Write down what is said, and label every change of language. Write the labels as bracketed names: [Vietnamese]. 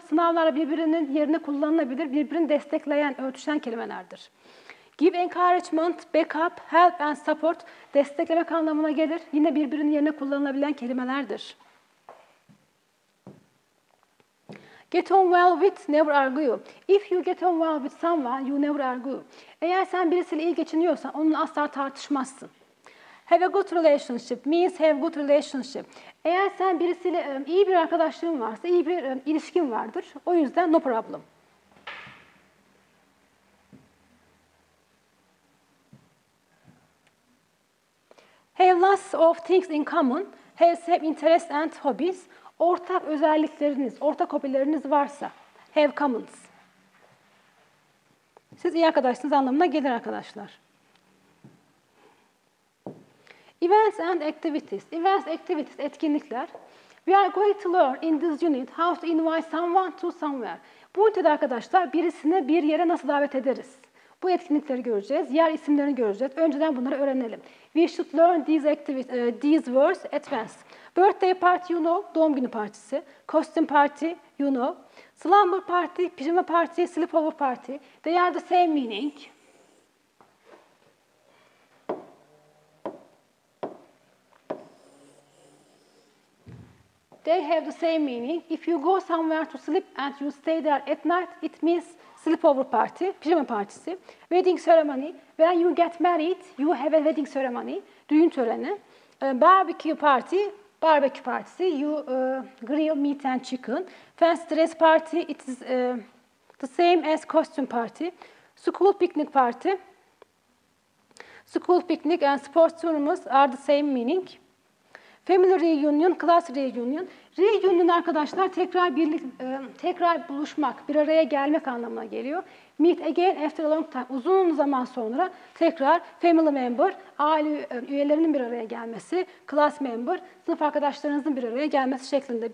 [Turkish] Sınavlar birbirinin yerine kullanılabilir. Birbirini destekleyen, ölçüşen kelimelerdir. [English] Give encouragement, backup, help and support. [Turkish] Desteklemek anlamına gelir. Yine birbirinin yerine kullanılabilen kelimelerdir. [English] Get on well with, never argue. If you get on well with someone, you never argue. [Turkish] Eğer sen birisiyle iyi geçiniyorsan, onunla asla tartışmazsın. [English] Have a good relationship means have good relationship. [Turkish] Eğer sen birisiyle iyi bir arkadaşlığın varsa, iyi bir ilişkin vardır. O yüzden [English] no problem. Have lots of things in common. Have same interests and hobbies. [Turkish] Ortak özellikleriniz, ortak hobileriniz varsa, [English] have commons. [Turkish] Siz iyi arkadaşsınız anlamına gelir arkadaşlar. [English] Events and activities. Events, activities, etkinlikler. We are going to learn in this unit how to invite someone to somewhere. [Turkish] Bu ünitede arkadaşlar birisini bir yere nasıl davet ederiz? Bu etkinlikleri göreceğiz, yer isimlerini göreceğiz. Önceden bunları öğrenelim. [English] We should learn these these words at once. Birthday party, you know, [Turkish] doğum günü partisi. [English] Costume party, you know. Slumber party, pijama party, sleepover party. They are the same meaning. They have the same meaning. If you go somewhere to sleep and you stay there at night, it means sleepover party, pijama partisi. Wedding ceremony, when you get married, you have a wedding ceremony, [Turkish] düğün töreni. [English] Barbecue party, barbecue partisi, you grill meat and chicken. Fancy dress party, it is the same as costume party. School picnic party, school picnic and sports tournaments are the same meaning. Family reunion, class reunion. [Turkish] Reunion arkadaşlar tekrar birlik, tekrar buluşmak, bir araya gelmek anlamına geliyor. [English] Meet again after a long time, [Turkish] uzun zaman sonra tekrar family member, aile üyelerinin bir araya gelmesi, class member, sınıf arkadaşlarınızın bir araya gelmesi şeklinde.